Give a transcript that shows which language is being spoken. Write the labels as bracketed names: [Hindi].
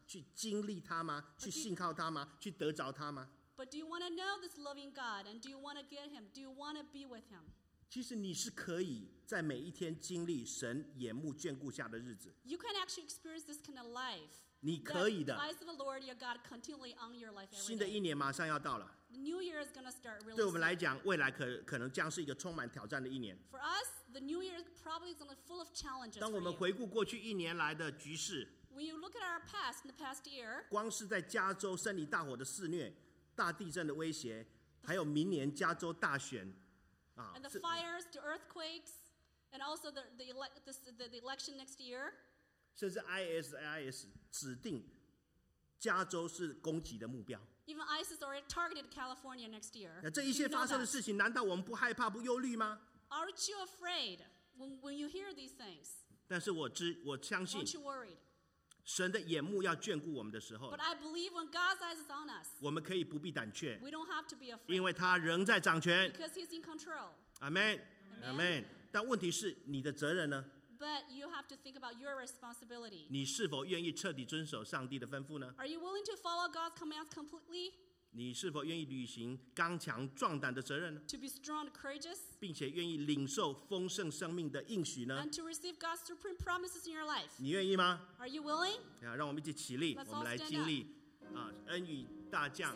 [Chinese] 去经历他吗？去信靠他吗？去得着他吗 [English] ？But do you want to know this loving God, and do you want to get Him? Do you want to be with Him? [Chinese] 其实你是可以在每一天经历神眼目眷顾下的日子。 [English] You can actually experience this kind of life. [Chinese] 你可以的。 [English] The eyes of the Lord your God continually on your life. [Chinese] 新的一年马上要到了。 [English] The new year is going to start really. [Chinese] 对我们来讲，未来可能将是一个充满挑战的一年。 [English] For us, the new year is probably going to be full of challenges. [Chinese] 当我们回顾过去一年来的局势 [English] ，When you look at our past in the past year, [Chinese] 光是在加州森林大火的肆虐、大地震的威胁，还有明年加州大选。 [English] And the fires, the earthquakes, and also the election next year. [Chinese] 甚至 ISIS 指定加州是攻击的目标。 [English] Even ISIS already targeted California next year. [Chinese] 这一些发生的事情，难道我们不害怕、不忧虑吗 [English] ？Aren't you afraid when you hear these things? [Chinese] 但是我相信。 [English] Aren't you worried? [Chinese] 神的眼目要眷顾我们的时候。 [English] But I believe when God's eyes is on us. [Chinese] 我们可以不必胆怯。 [English] We don't have to be afraid. [Chinese] 因为他仍在掌权。 [English] Because He's in control. Amen. Amen. [Chinese] 但问题是你的责任呢 [English] ？But you have to think about your responsibility. [Chinese] 你是否愿意彻底遵守上帝的吩咐呢 [English] ？Are you willing to follow God's commands completely? [Chinese] 你是否愿意履行刚强壮胆的责任呢 [English] ？To be strong and courageous. [Chinese] 并且愿意领受丰盛生命的应许呢 [English] ？And to receive God's supreme promises in your life. [Chinese] 你愿意吗 [English] ？Are you willing? [Chinese] 让我们一起起立，我们来经历啊恩雨大降。